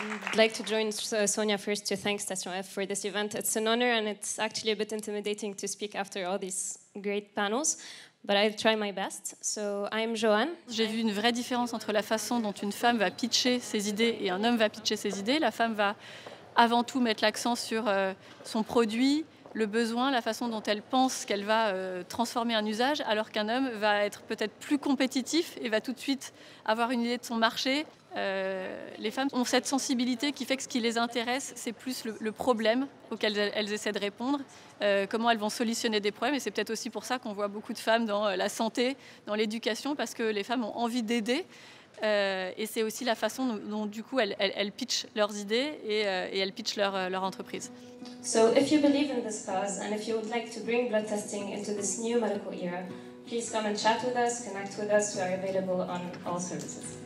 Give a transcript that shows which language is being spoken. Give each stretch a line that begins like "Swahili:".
English: I'd like to join Sonia first to thank Station F for this event. It's an honor and it's actually a bit intimidating to speak after all these great panels, but I'll try my best. So I'm Joanne.
French: J'ai vu une vraie différence entre la façon dont une femme va pitcher ses idées et un homme va pitcher ses idées. La femme va avant tout mettre l'accent sur son produit, le besoin, la façon dont elle pense qu'elle va transformer un usage, alors qu'un homme va être peut-être plus compétitif et va tout de suite avoir une idée de son marché. Les femmes ont cette sensibilité qui fait que ce qui les intéresse, c'est plus le problème auquel elles essaient de répondre, comment elles vont solutionner des problèmes. Et c'est peut-être aussi pour ça qu'on voit beaucoup de femmes dans la santé, dans l'éducation, parce que les femmes ont envie d'aider. Et c'est aussi la façon dont du coup elles pitchent leurs idées et elles pitchent leur entreprise.
English: So if you believe in this cause and if you would like to bring blood testing into this new medical era, please come and chat with us, connect with us, we are available on all services.